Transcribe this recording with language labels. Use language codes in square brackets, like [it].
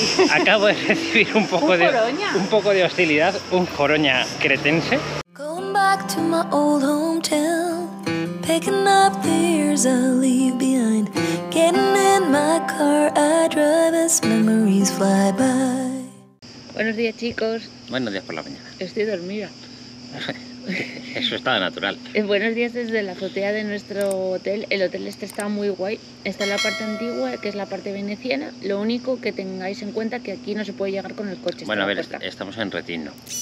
[es] Acabo de recibir un poco ¿un de joroña? Un poco de hostilidad, un joroña cretense. [en] Going back to my old hometown, picking up the years I leave behind, getting in my car, I drive as memories fly by. [es] Buenos días, chicos. Buenos días por la mañana. Estoy dormida. Eso estaba natural. Buenos días desde la azotea de nuestro hotel. El hotel este está muy guay. Está en la parte antigua, que es la parte veneciana. Lo único que tengáis en cuenta que aquí no se puede llegar con el coche. Bueno, a ver, estamos en Retino.